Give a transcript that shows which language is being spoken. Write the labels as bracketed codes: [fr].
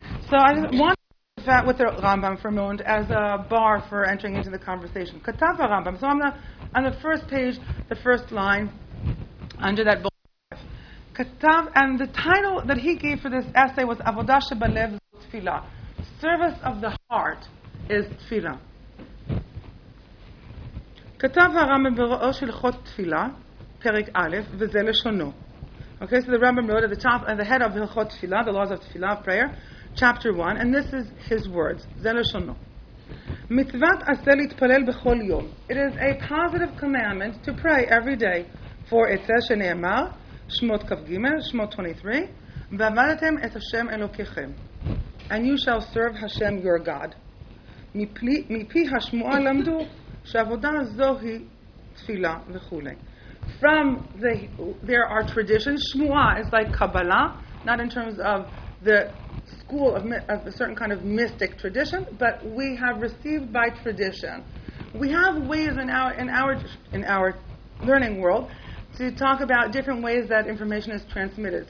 [en] So I just want to start that with the Rambam for a moment as a bar for entering into the conversation. Katava Rambam. So on the first page, the first line under that book, Katav, and the title that he gave for this essay was Avodah Shebalev Tefillah. Service of the heart is tefillah. [he] כתב הרמב״ם בראו של הלכות תפילה, פרק א', וזה לשונו. [en] Okay, so the Rambam wrote at the top, at the head of הלכות תפילה, the laws of tefillah, prayer, chapter 1, and this is his words, [he] זה לשונו. מצוות עשה להתפלל בכל יום. [en] It is a positive commandment to pray every day, for it says [he] שנאמר, שמות כ"ג, שמות [en] 23, [he] ועבדתם את השם אלוקיכם. [en] And you shall serve Hashem your God. [he] מפי השמועה למדו, שעבודה זוהי תפילה וכו'. [en] From there are traditions. Shmua is like Kabbalah, not in terms of the school of a certain kind of mystic tradition, but we have received by tradition. We have ways in our learning world to talk about different ways that information is transmitted.